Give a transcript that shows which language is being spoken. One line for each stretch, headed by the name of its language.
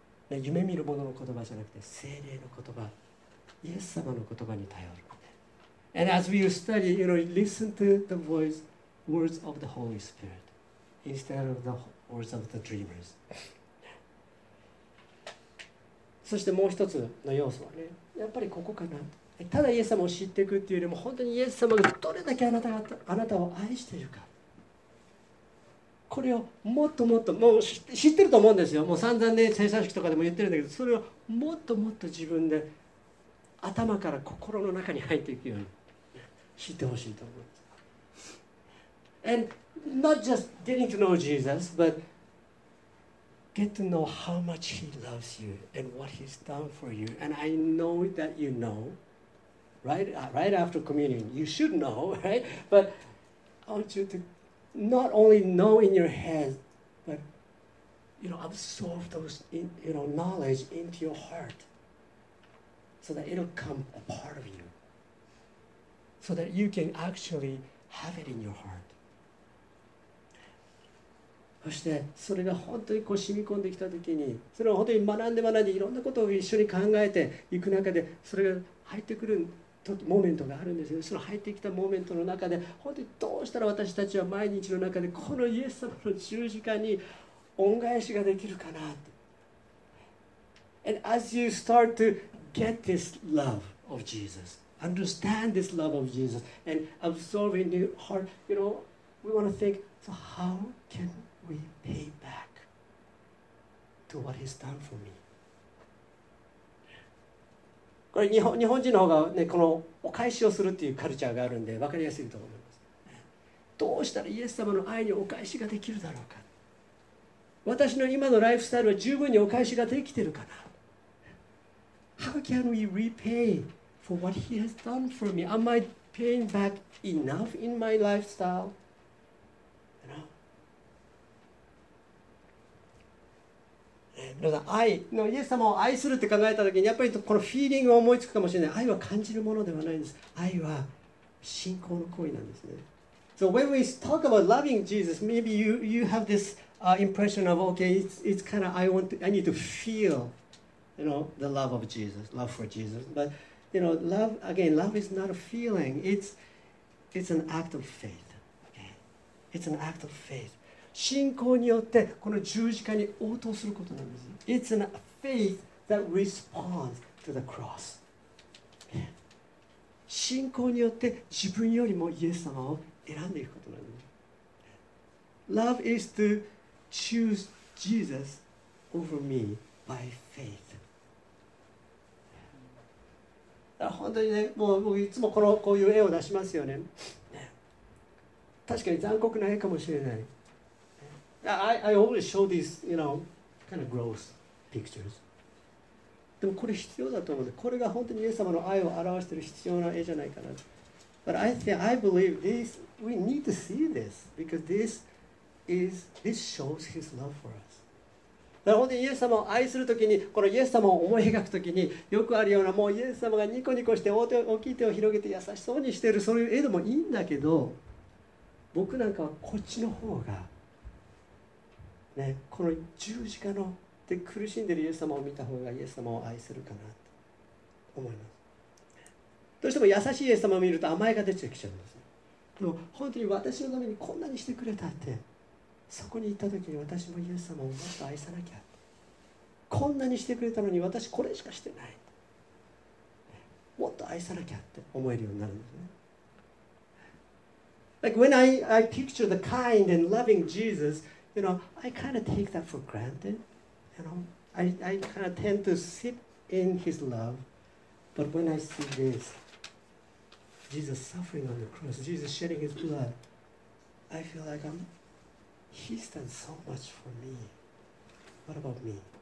Japanese: 夢見る者の言葉じゃなくて聖霊の言葉、イエス様の言葉に頼る。
English: And as we study, you know, listen to the voice, words of the Holy Spirit, instead of the words of the dreamers.
Japanese: そしてもう一つの要素はね、やっぱりここかな。ただイエス様を知っていくっていうよりも、本当にイエス様がどれだけあなたを愛しているか。これをもっともっと、もう知ってると思うんですよ。もう散々ね、聖書式とかでも言ってるんだけど、それをもっともっと自分で頭から心の中に入っていくように知ってほしいと思うんです。
English: And not just getting to know Jesus, but get to know how much He loves you and what He's done for you. And I know that you know, right after communion, you should know, right? But I want you to... Not only know in your head, but you know, absorb those in, you know, knowledge into your heart so that it'll come a part of you so that you can actually have it in your heart.
Japanese: そしてそれが本当にこう染み込んできたときに、それを本当に学んで学んでいろんなことを一緒に考えていく中で、それが入ってくるモーメントがあるんですよ。その入ってきたモーメントの中で、本当にどうしたら私たちは毎日の中でこのイエス様の十字架に恩返しができるかなって。
English: And as you start to get this love of Jesus, understand this love of Jesus, and absorb in your heart, you know, we want to think, so how can we pay back to what He's done for me?
Japanese: これ日本人の方が、ね、このお返しをするっていうカルチャーがあるんで分かりやすいと思います。どうしたらイエス様の愛にお返しができるだろうか。私の今のライフスタイルは十分にお返しができてるかな。
English: How can we repay for what He has done for me? Am I paying back enough in my lifestyle? You know?
Japanese: 愛のイエス様を愛するって考えたときに、やっぱりこのフィーリングを思いつくかもしれない。愛は感じるものではないんです。愛は信仰の行為なんですね。
English: So when we talk about loving Jesus, maybe you have this impression of, okay, it's kind of, I need to feel, you know, the love of Jesus, love for Jesus. But, you know, love, again, love is not a feeling. It's an act of faith. Okay? It's an act of faith.
Japanese: 信仰によってこの十字架に応答することなんです。
English: It's a faith that responds to the cross.
Japanese: 信仰によって自分よりもイエス様を選んでいくことなんです。
English: Love is to choose Jesus over me by faith.
Japanese: 本当にね、もういつもこういう絵を出しますよね。確かに残酷な絵かもしれない。
English: I always show these, you know, kind of gross pictures.
Japanese: でもこれ必要だと思うんで、これが本当にイエス様の愛を表している必要な絵じゃないかな。
English: But I think, I believe this, we need to see this, because this shows his love for us.
Japanese: 本当にイエス様を愛するときに、このイエス様を思い描くときによくあるような、もうイエス様がニコニコして大きい手を広げて優しそうにしている、そういう絵でもいいんだけど、僕なんかはこっちの方が、ね、この十字架ので苦しんでいるイエス様を見た方がイエス様を愛するかなと思います。どうしても優しいイエス様を見ると甘えが出てきちゃうんです。でも本当に私のためにこんなにしてくれたって、そこに行った時に私もイエス様をもっと愛さなきゃ、こんなにしてくれたのに私これしかしてない、もっと愛さなきゃって思えるようになるんですね。
English: Like when I picture the kind and loving Jesus, you know, I kind of take that for granted. You know, I kind of tend to sit in his love. But when I see this, Jesus suffering on the cross, Jesus shedding his blood, I feel like I'mHe's done so much for me. What about me?